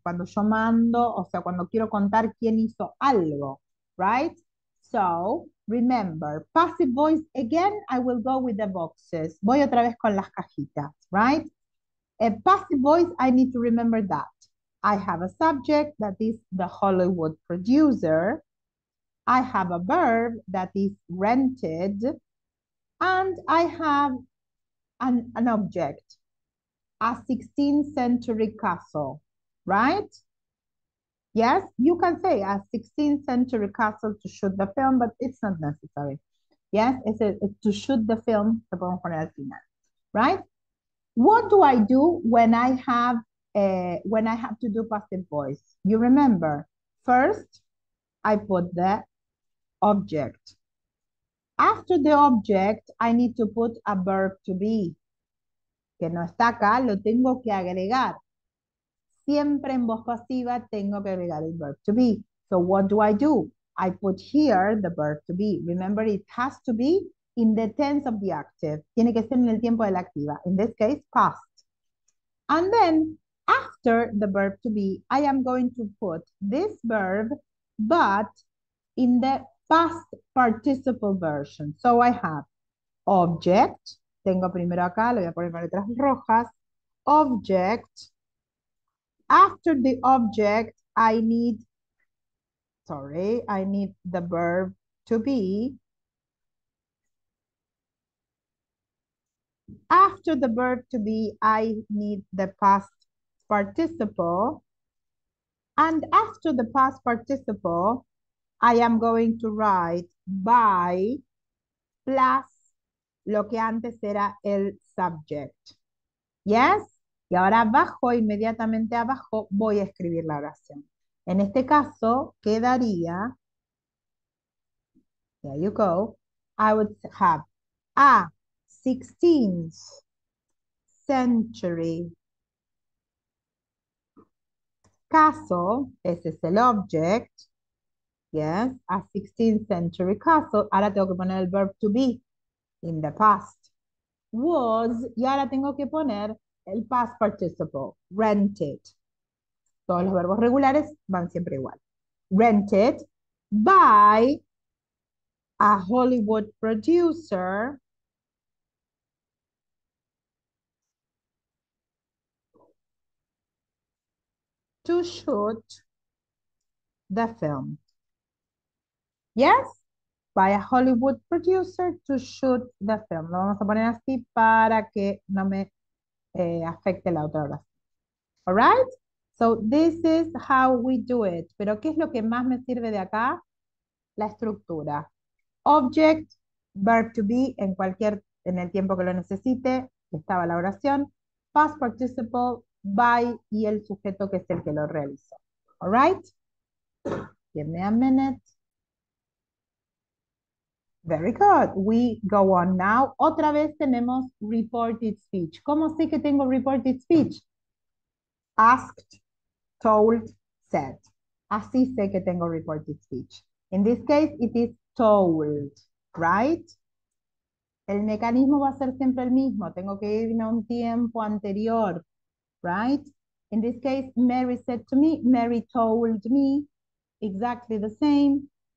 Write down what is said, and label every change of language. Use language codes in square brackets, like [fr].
[es] Cuando yo mando, o sea, cuando quiero contar quién hizo algo, [en] right? [es] So, remember, passive voice, again, I will go with the boxes. Voy otra vez con las cajitas, [en] right? A passive voice, I need to remember that. I have a subject, that is the Hollywood producer. I have a verb, that is rented. And I have an object, a 16th century castle, right? Yes, you can say a 16th century castle to shoot the film, but it's not necessary. Yes, it's to shoot the film, right? What do I do when I have to do passive voice? You remember, first, I put the object. After the object, I need to put a verb to be. [es] Que no está acá, lo tengo que agregar. Siempre en voz pasiva tengo que agregar el verb to be. [en] So what do? I put here the verb to be. Remember, it has to be in the tense of the active. [es] Tiene que ser en el tiempo de la activa. [en] In this case, past. And then, after the verb to be, I am going to put this verb, but in the past participle version. So I have object. [es] Tengo primero acá, lo voy a poner con letras rojas. [en] Object. After the object, I need the verb to be. After the verb to be, I need the past participle. And after the past participle, I am going to write by plus [es] lo que antes era el [en] subject. Yes? [es] Y ahora abajo, inmediatamente abajo, voy a escribir la oración. En este caso, quedaría, [en] there you go, I would have a 16th century castle, [es] ese es el object, [en] yes, a 16th century castle, [es] ahora tengo que poner el verb to [en] be, in the past, was, [es] y ahora tengo que poner el past [en] participle, rented. [es] Todos los verbos regulares van siempre igual. [en] Rented by a Hollywood producer to shoot the film. Yes? By a Hollywood producer to shoot the film. [es] Lo vamos a poner así para que no me afecte la otra oración. [en] All right? So this is how we do it. [es] Pero ¿qué es lo que más me sirve de acá? La estructura. Object, verb to be, en el tiempo que lo necesite, estaba la oración. Past participle, by, y el sujeto que es el que lo realizó. [en] All right? Give me a minute. Very good. We go on now. [es] Otra vez tenemos [en] reported speech. [es] ¿Cómo sé que tengo reported speech? Asked. Told, said. Así sé que tengo reported speech. [en] In this case, it is told, right? [es] El mecanismo va a ser siempre el mismo. Tengo que irme a un tiempo anterior, [en] right? In this case, Mary said to me, Mary told me, exactly the same.